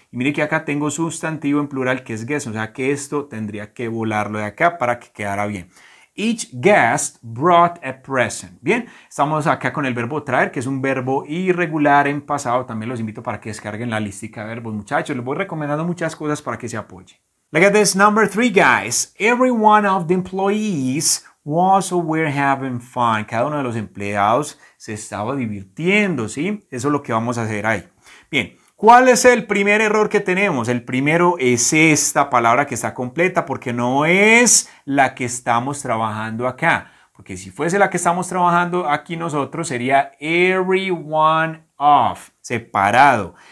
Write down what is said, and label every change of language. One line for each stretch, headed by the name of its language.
Spanish: Y mire que acá tengo sustantivo en plural que es guest, o sea que esto tendría que volarlo de acá para que quedara bien.
English: Each guest brought a present.
Spanish: Bien, estamos acá con el verbo traer, que es un verbo irregular en pasado. También los invito para que descarguen la listica de verbos, muchachos. Les voy recomendando muchas cosas para que se apoyen.
English: Look at this number three, guys. Every one of the employees was or were having fun.
Spanish: Cada uno de los empleados se estaba divirtiendo, ¿sí? Eso es lo que vamos a hacer ahí. Bien, ¿cuál es el primer error que tenemos? El primero es esta palabra que está completa porque no es la que estamos trabajando acá. Porque si fuese la que estamos trabajando aquí nosotros, sería
English: every one of,
Spanish: separado.